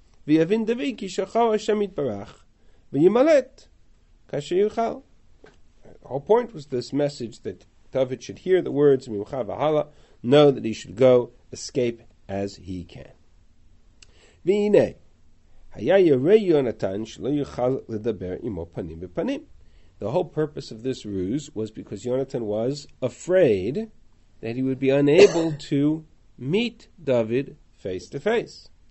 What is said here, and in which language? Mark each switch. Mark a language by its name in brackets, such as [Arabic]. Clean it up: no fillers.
[Hebrew] ויבין דוד כי שכחו השם יתברך וימלט כאשר יוכל. [English] Our point was this message that David should hear the words [Hebrew] Mimcha v'hala, [English] know that he should go, escape as he can. [Hebrew] והנה, היה ירא יונתן שלא יוכל לדבר עמו פנים בפנים. [English] The whole purpose of this ruse was because Yonatan was afraid that he would be unable to meet David face to face.